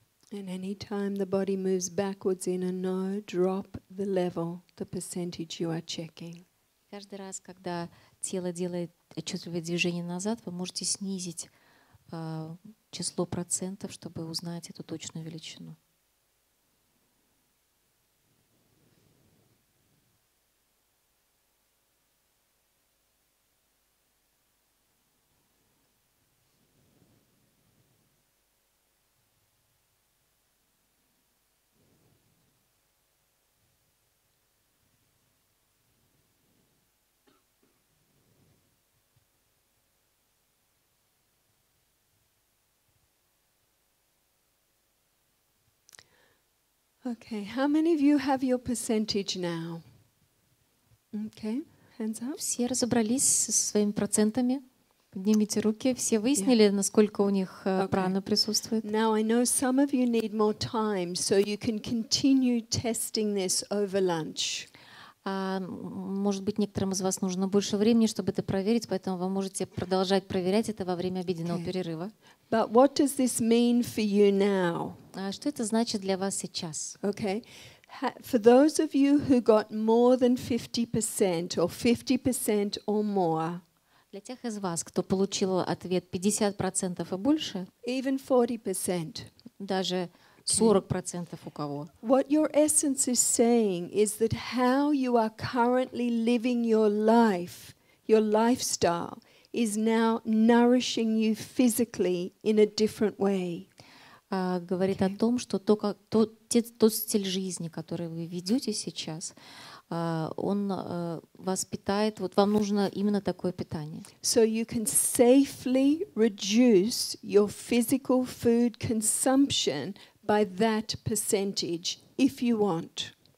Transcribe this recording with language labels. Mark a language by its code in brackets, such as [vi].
[en] And any time the body moves backwards in a no, drop the level, the percentage you are checking. [ru] Каждый раз, когда тело делает отчетливое движение назад, вы можете снизить число процентов, чтобы узнать эту точную величину. [en] Okay, how many of you have your percentage now? Okay, hands up. [ru] Все разобрались со своими процентами? Поднимите руки. Все выяснили, насколько у них прана присутствует? [en] Now I know some of you need more time, so you can continue testing this over lunch. [ru] Может быть, некоторым из вас нужно больше времени, чтобы это проверить, поэтому вы можете продолжать проверять это во время обеденного перерыва. [en] But what does this mean for you now? [ru] Что это значит для вас сейчас? [en] Okay. For those of you who got more than 50% or 50% or more. [ru] Для тех из вас, кто получил ответ 50% и больше. [en] Even 40%. [ru] Даже 40% у кого? [en] What your essence is saying is that how you are currently living your lifestyle is now nourishing you physically in a different way. [ru] Говорит о том, что то, как тот стиль жизни, который вы ведете сейчас, он вас питает. Вот вам нужно именно такое питание. [en] So you can safely reduce your physical food consumption by that percentage, if you want.